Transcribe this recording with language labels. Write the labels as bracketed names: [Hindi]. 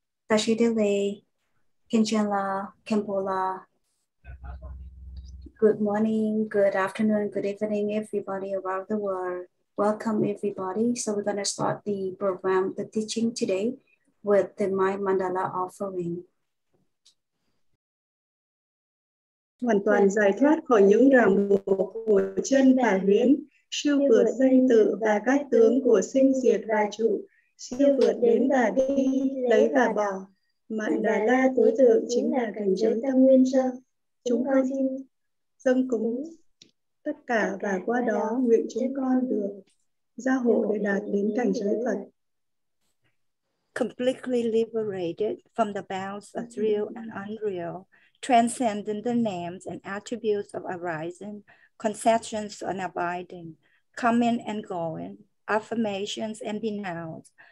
[Tibetan] Dashidele, Khenchen, Khenpo. [English] Good morning, good afternoon, good evening, everybody around the world. Welcome, everybody. So we're going to start the program, the teaching today with the Mind Mandala offering. [Vietnamese] Hoàn toàn giải thoát khỏi những ràng buộc của chân và luyến, siêu vượt danh tự và các tướng của sinh diệt và trụ, siêu vượt đến và đi, lấy và bỏ. Mạn Đà La tối thượng chính là cảnh giới tâm nguyên sơ. Chúng con xin dâng cúng tất cả và qua đó nguyện chúng con được gia hộ để đạt đến cảnh giới Phật. [English] Completely liberated from the bounds of real and unreal, transcending the names and attributes of arising, conceptions and abiding, coming and going, affirmations and denials.